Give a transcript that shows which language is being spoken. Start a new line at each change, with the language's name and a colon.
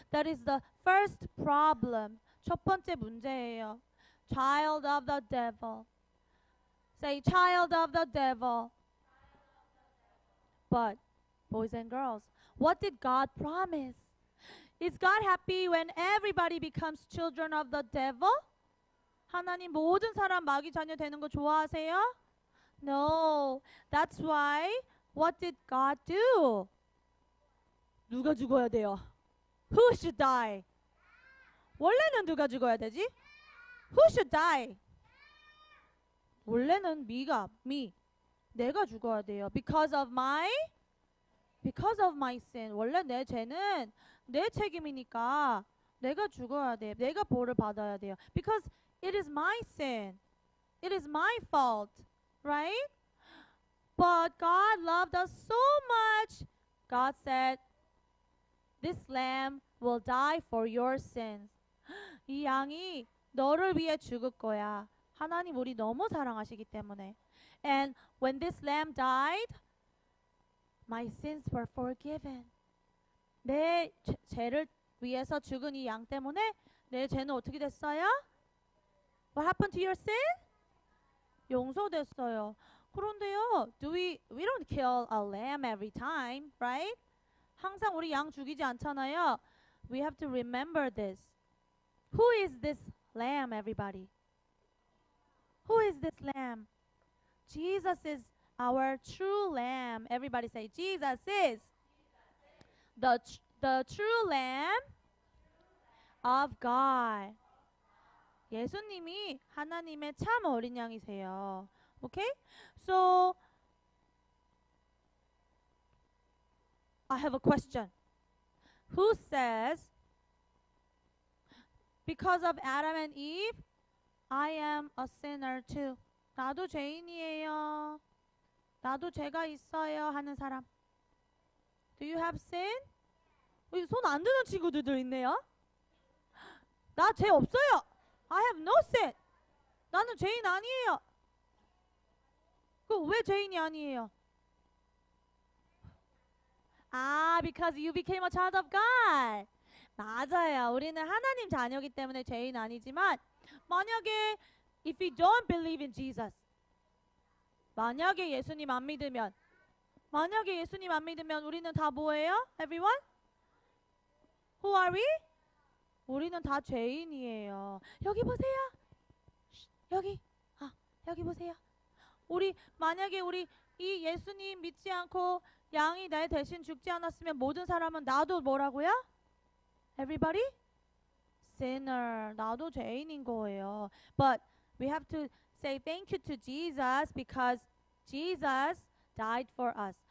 English: That is the first problem.
Korean: 첫 번째 문제예요.
English: Child of the devil. Say child of the devil. But boys and girls, what did God promise? Is God happy when everybody becomes children of the devil?
Korean: 하나님 모든 사람 마귀 자녀 되는 거 좋아하세요?
English: No. That's why, what did God do?
Korean: 누가 죽어야 돼요?
English: Who should die?
Korean: 원래는 누가 죽어야 되지?
English: Who should die?
Korean: 원래는 me. 내가 죽어야 돼요.
English: Because of my sin.
Korean: 원래 내 죄는 내 책임이니까 내가 죽어야 돼. 내가 벌을 받아야 돼요.
English: Because it is my sin. It is my fault. Right? But God loved us so much. God said, this lamb will die for your sins.
Korean: 이 양이 너를 위해 죽을 거야. 하나님 우리 너무 사랑하시기 때문에.
English: And when this lamb died, my sins were forgiven.
Korean: 내 죄를 위해서 죽은 이 양 때문에 내 죄는 어떻게 됐어요?
English: What happened to your sin?
Korean: 용서됐어요. 그런데요,
English: we don't kill a lamb every time, right?
Korean: 항상 우리 양 죽이지 않잖아요.
English: We have to remember this. Who is this lamb, everybody? Who is this lamb? Jesus is our true lamb. Everybody say, Jesus is the true lamb of God.
Korean: 예수님이 하나님의 참 어린 양이세요.
English: Okay? So, I have a question. Who says, because of Adam and Eve, I am a sinner too.
Korean: 나도 죄인이에요. 나도 죄가 있어요 하는 사람.
English: Do you have sin?
Korean: 손 안 드는 친구들도 있네요. 나 죄 없어요.
English: I have no sin.
Korean: 나는 죄인 아니에요. 그 왜 죄인이 아니에요?
English: 아, because you became a child of God.
Korean: 맞아요. 우리는 하나님 자녀이기 때문에 죄인 아니지만 만약에
English: if you don't believe in Jesus,
Korean: 만약에 예수님 안 믿으면 우리는 다 뭐예요?
English: Everyone? Who are we?
Korean: 우리는 다 죄인이에요. 여기 보세요. 여기. 아, 여기 보세요. 우리 만약에 우리 이 예수님 믿지 않고 양이 내 대신 죽지 않았으면 모든 사람은 나도 뭐라고요?
English: Everybody? Sinner.
Korean: 나도 죄인인 거예요.
English: But we have to say thank you to Jesus because Jesus died for us.